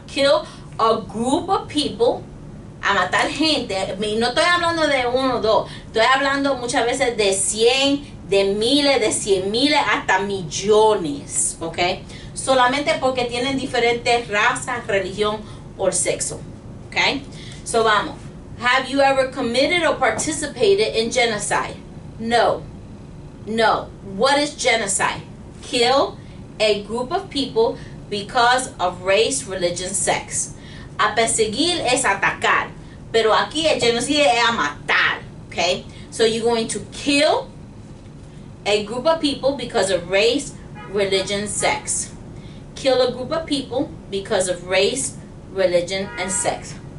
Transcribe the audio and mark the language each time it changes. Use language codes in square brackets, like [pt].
[en] Kill a group of people. [es] A matar gente, no estoy hablando de uno o dos, estoy hablando muchas veces de 100, de cien miles, hasta millones, ¿ok? Solamente porque tienen diferentes razas, religión o sexo, ¿ok? [en] So vamos, have you ever committed or participated in genocide? No, no. What is genocide? Kill a group of people because of race, religion, sex. [es] A perseguir es atacar. Pero aquí el genocidio es a matar, okay? [en] So you're going to kill a group of people because of race, religion, sex. Kill a group of people because of race, religion, and sex.